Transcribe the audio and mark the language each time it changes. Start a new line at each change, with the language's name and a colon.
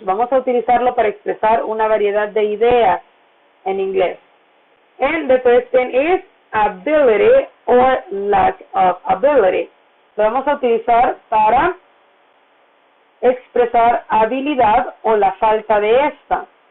Spanish: Vamos a utilizarlo para expresar una variedad de ideas en inglés.
English: And the first thing is ability or lack of ability.
Spanish: Lo vamos a utilizar para expresar habilidad o la falta de esta.